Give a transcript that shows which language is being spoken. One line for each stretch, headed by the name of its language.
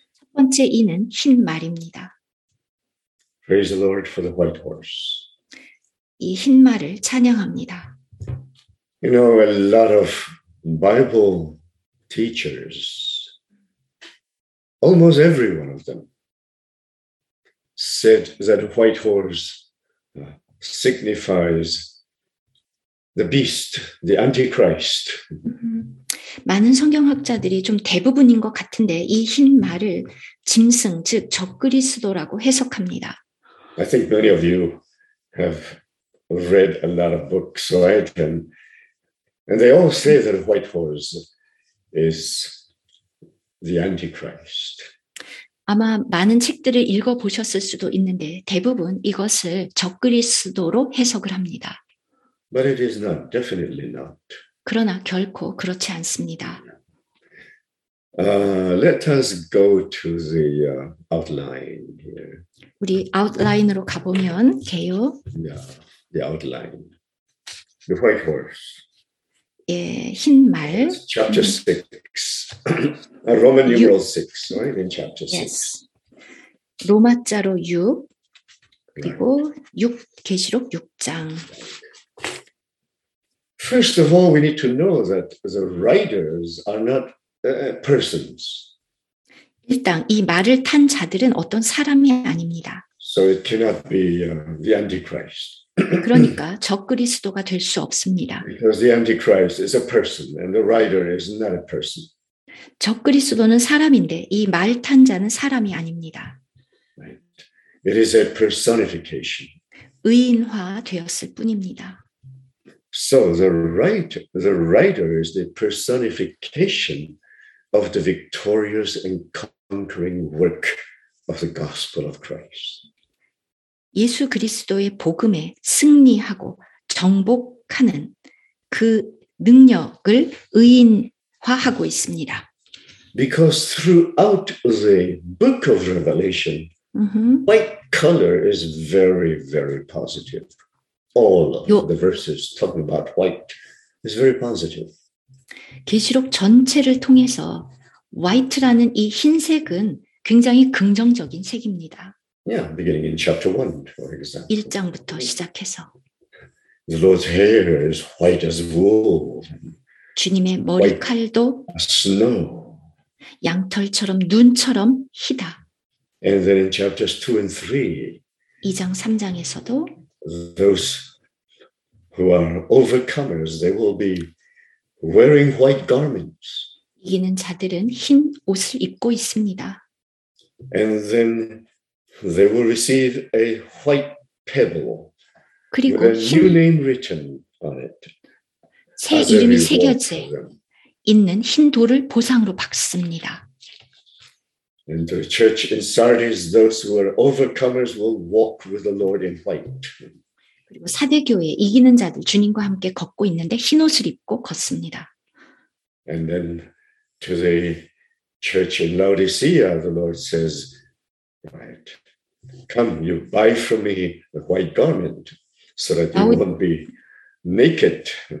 Korean: 첫 번째 인은 흰 말입니다.
English: Praise the Lord for the white horse.
Korean: 이 흰 말을 찬양합니다.
English: You know, a lot of Bible teachers, almost every one of them, said that white horse signifies the beast, the antichrist.
Korean: 많은 성경학자들이 좀 대부분인 것 같은데 이 흰 말을 짐승, 즉 적그리스도라고 해석합니다.
English: I think many of you have read a lot of books, right? And they all say that white horse is the antichrist.
Korean: 아마 많은 책들을 읽어보셨을 수도 있는데 대부분 이것을 적그리스도로 해석을 합니다.
English: But it is not, definitely not.
Korean: 그러나 결코 그렇지 않습니다.
English: Let us go to the outline here.
Korean: 우리 아웃라인으로 가보면 돼요.
English: Yeah, the outline. The white horse.
Korean: 예, 흰 말.
English: Yes, chapter 6. Roman numeral 6, right? In chapter 6. Yes.
Korean: 로마자로 6, 그리고 6, 계시록 6장.
English: First of all, we need to know that the riders are not persons.
Korean: 일단 이 말을 탄 자들은 어떤 사람이 아닙니다.
English: So it cannot be the Antichrist.
Korean: 그러니까 적그리스도가 될 수 없습니다.
English: Because the Antichrist is a person and the rider is not a person.
Korean: 적그리스도는 사람인데 이 말 탄 자는 사람이 아닙니다.
English: Right. It is a personification.
Korean: 의인화 되었을 뿐입니다.
English: So the rider is the personification of the victorious and conquering work of the gospel of Christ.
Korean: 예수 그리스도의 복음에 승리하고 정복하는 그 능력을 의인화하고 있습니다.
English: Because throughout the book of Revelation, white color is very, very positive. All of the verses talking about white is very positive.
Korean: 계시록 전체를 통해서 white라는 이 흰색은 굉장히 긍정적인 색입니다.
English: Yeah, beginning in chapter 1, for example.
Korean: 1장부터 시작해서.
English: The Lord's hair is white as wool.
Korean: 주님의 머리칼도
English: snow.
Korean: 양털처럼 눈처럼 희다.
English: And then in chapters 2 and 3.
Korean: 2장, 3장에서도
English: Those who are overcomers, they will be wearing white garments.
Korean: 이기는 자들은 흰 옷을 입고 있습니다.
English: And then they will receive a white pebble.
Korean: 그리고
English: a new name written on it.
Korean: 새 이름이 새겨져 있는 흰 돌을 보상으로 받습니다.
English: In the church in Sardis, those who are overcomers will walk with the Lord in white.
Korean: 그리고 사대교회 이기는 자들 주님과 함께 걷고 있는데 흰 옷을 입고 걷습니다.
English: And then to the church in Laodicea, the Lord says, "Right, come, you buy from me a white garment, so that you won't be naked."